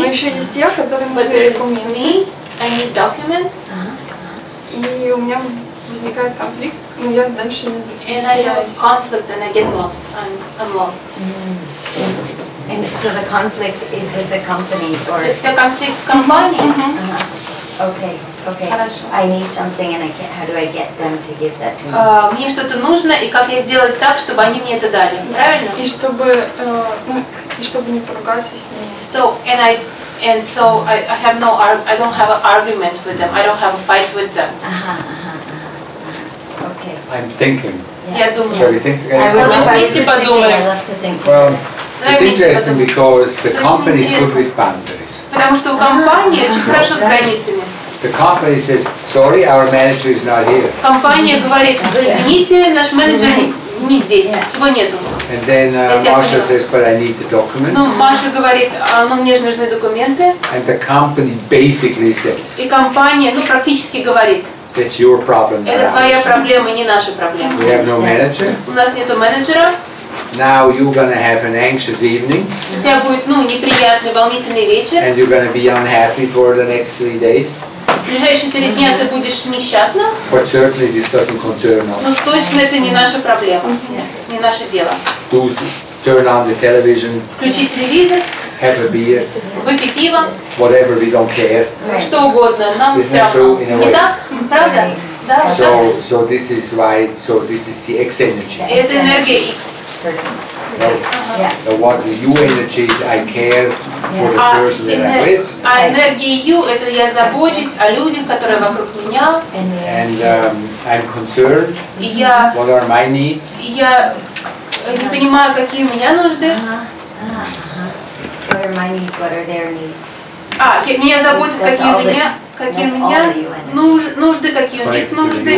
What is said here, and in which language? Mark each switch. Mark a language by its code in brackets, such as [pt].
[ru] Но еще есть я, которым нужны документы. [en] But there is me. I need documents. [ru] И у меня возникает конфликт. Ну, я дальше не знаю. [en] And I have a conflict and I get lost. I'm lost. And so the conflict is with the company, or it's the conflict's company. Mm-hmm. Uh-huh. Okay. [ru] Хорошо. [en] I need something, and I can't. How do I get them to give that to me? [ru] Мне что-то нужно, и как я сделать так, чтобы они мне это дали? Правильно? И чтобы не поругаться с ними. [en] So I have no I don't have an argument with them. I don't have a fight with them. Uh-huh. Okay. I'm thinking. Yeah. Shall we think together? It's interesting because the company is good with boundaries. [ru] Потому что у компании очень хорошо с границами. [en] The company says, "Sorry, our manager is not here." [ru] Компания говорит: "Извините, наш менеджер не здесь, его нету." [en] And then Marshall says, "But I need the documents." [ru] Ну, Маша говорит: "Ну, мне же нужны документы." [en] And the company basically says. [ru] И компания, ну, практически говорит. [en] That's your problem. [ru] Это твоя проблема, не наша проблема. [en] We have no manager. [ru] У нас нету менеджера. [en] Now you're gonna have an anxious evening. [ru] У тебя будет, ну, неприятный, волнительный вечер. [en] And you're gonna be unhappy for the next 3 days. [ru] В ближайшие 3 дня ты будешь несчастна. [en] But certainly this doesn't concern us. [ru] Но точно это не наша проблема, mm-hmm. не наше дело. [en] Turn on the television. [ru] Включи телевизор. [en] Have a beer. [ru] Выпей пиво. [en] Whatever, we don't care. Right. [ru] Что угодно, нам [en] Isn't [ru] все равно. [en] True, [ru] не так? Правда? Mm-hmm. Да. [en] So this is why. So this is the X energy. [ru] Это энергия X. [en] The what? The U energy is I care for the person that I'm with. [ru] А энергия U – это я забочусь о людях, которые вокруг меня. [en] And I'm concerned. What are my needs? [ru] Я не понимаю, какие у меня нужды. [en] What are my needs? What are their needs? [ru] А, меня заботят, какие у меня нужды, какие у них нужды.